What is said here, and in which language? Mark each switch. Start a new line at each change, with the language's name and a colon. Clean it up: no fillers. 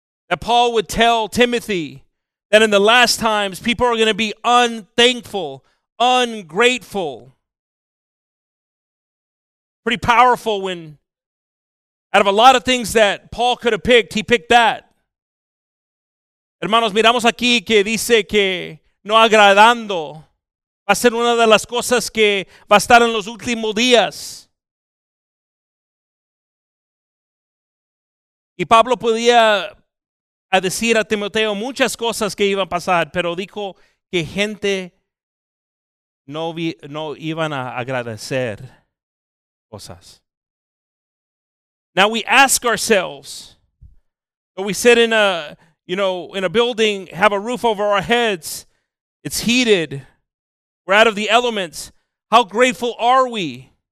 English: That Paul would tell Timothy that in the last times, people are going to be unthankful, ungrateful. Pretty powerful when, out of a lot of things that Paul could have picked, he picked that.
Spanish: Hermanos, miramos aquí que dice que no agradando va a ser una de las cosas que va a estar en los últimos días. Y Pablo podía decir a Timoteo muchas cosas que iban a pasar, pero dijo que gente no iban a agradecer cosas.
English: Now we ask ourselves, but we sit in a, you know, in a building, have a roof over our heads, it's heated, we're out of the elements, how grateful are we?